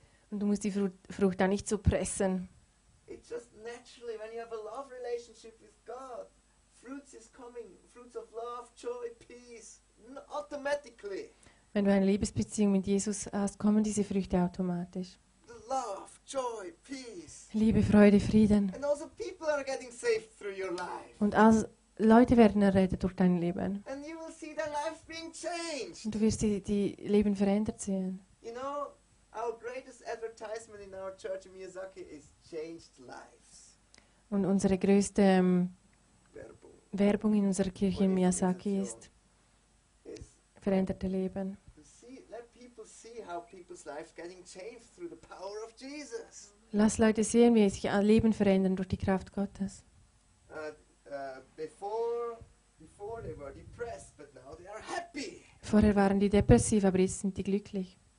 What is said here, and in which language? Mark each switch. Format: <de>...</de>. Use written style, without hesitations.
<de>Und du musst die Frucht dann nicht so pressen.</de> <en>It's just naturally when you have a love relationship with God, fruits is coming, fruits of love, joy, peace, automatically.</en> <de>Wenn du eine Liebesbeziehung mit Jesus hast, kommen diese Früchte automatisch.</de> <en>Love, joy, peace.</en> <de>Liebe, Freude, Frieden.</de> <en>And also people are getting saved through your life.</en> <de>Und also Leute werden errettet durch dein Leben.</de> <en>And you will see their life being changed.</en> <de>Und du wirst die Leben verändert sehen.</de> <en>You know, our greatest advertisement in our church in Miyazaki is changed lives.</en> <de>Und unsere größte Werbung in unserer Kirche in Miyazaki ist veränderte Leben.</de> <en>Let people see how people's lives getting changed through the power of Jesus.</en> <de>Lass Leute sehen, wie sich ihr Leben verändern durch die Kraft Gottes.</de> <en>Before they were depressed, but now they are happy.</en> <de>Vorher waren die depressiv, aber jetzt sind die glücklich.</de>